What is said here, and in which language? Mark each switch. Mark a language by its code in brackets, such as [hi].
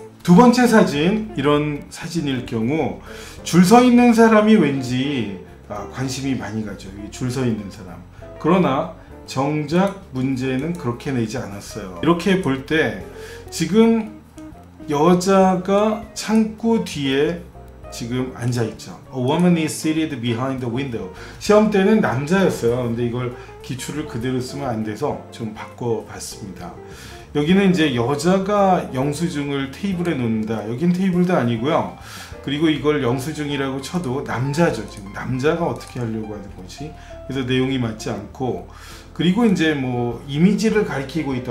[ko] 두 번째 사진, 이런 사진일 경우 줄 서 있는 사람이 왠지 관심이 많이 가죠. 줄 서 있는 사람. 그러나 정작 문제는 그렇게 내지 않았어요. 이렇게 볼 때 지금 여자가 창고 뒤에 지금 앉아 있죠. [en] A woman is seated behind the window. [ko] 시험 때는 남자였어요. 근데 이걸 기출을 그대로 쓰면 안 돼서 좀 바꿔봤습니다. 여기는 이제 여자가 영수증을 테이블에 놓는다. 여긴 테이블도 아니고요. 그리고 이걸 영수증이라고 쳐도 남자죠. 지금 남자가 어떻게 하려고 하는 거지? 그래서 내용이 맞지 않고 그리고 이제 뭐 이미지를 가리키고 있다.